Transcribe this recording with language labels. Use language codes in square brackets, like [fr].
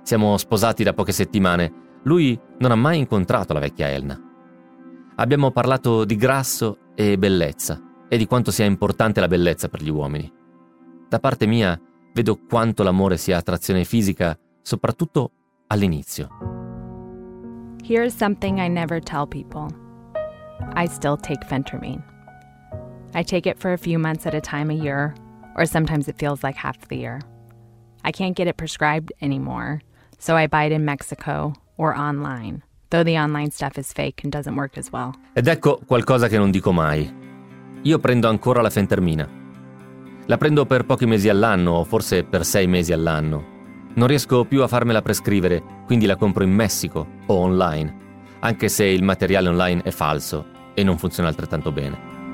[it] Siamo sposati da poche settimane. Lui non ha mai incontrato la vecchia Elna. Abbiamo parlato di grasso e bellezza e di quanto sia importante la bellezza per gli uomini. Da parte mia, vedo quanto l'amore sia attrazione fisica, soprattutto all'inizio. [en] Here's something I never tell people. I still take Phentermine. I take it for a few months at a time a year, or sometimes it feels like half the year. I can't get it prescribed anymore, so I buy it in Mexico or online, though the online stuff is fake and doesn't work as well. [it] Ed ecco qualcosa che non dico mai. Io prendo ancora la Phentermina. La prendo per pochi mesi all'anno, o forse per 6 mesi all'anno. Non riesco più a farmela prescrivere, quindi la compro in Messico o online, anche se il materiale online è falso e non funziona altrettanto bene.